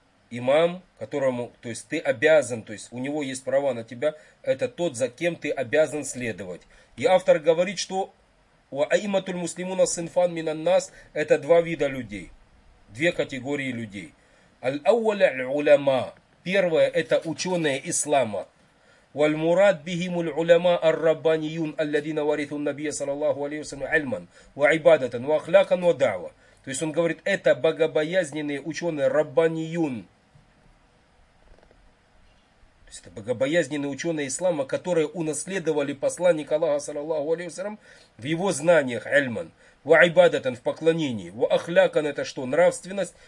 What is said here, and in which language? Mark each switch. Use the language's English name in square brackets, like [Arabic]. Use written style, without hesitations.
[Russian] Имам, которому, то есть ты обязан, то есть у него есть права на тебя, это тот, за кем ты обязан следовать. И автор говорит, что у [Arabic] аиматуль муслимуна синфан минан нас, [Russian] это два вида людей. Две категории людей. [Arabic] Аль-ауаля аль-уляма. [Russian] Первое, это ученые ислама. [Arabic] والمراد بهم العلماء الربانيون الذين ورثوا النبي صلى الله عليه وسلم علما وعبادة واخلاقا ودعوة. [Russian] То есть он говорит, это богобоязненные ученые, раббаниюн. То есть это богобоязненные ученые ислама, которые унаследовали посланника Аллаха صلى الله عليه وسلم в его знаниях علما. وعبادة в поклонении. واخلاقا это что? Нравственность.